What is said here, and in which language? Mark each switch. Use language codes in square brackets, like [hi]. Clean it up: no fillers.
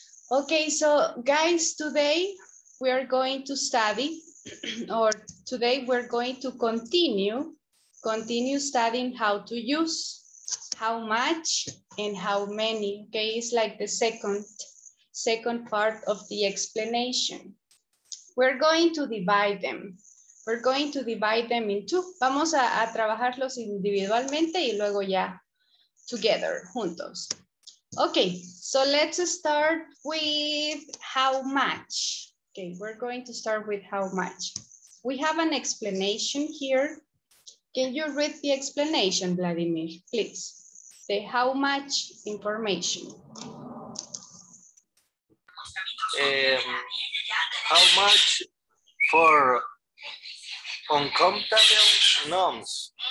[en] Okay, so guys, today we are going to study, or today we're going to continue studying how to use how much and how many. Okay, it's like the second part of the explanation. We're going to divide them. We're going to divide them in two. [es] Vamos a trabajarlos individualmente y luego ya [en] together, [es] juntos. [en] Okay, so let's start with how much. Okay, we're going to start with how much. We have an explanation here. Can you read the explanation, Vladimir, please? The how much information. How much for uncomfortable norms?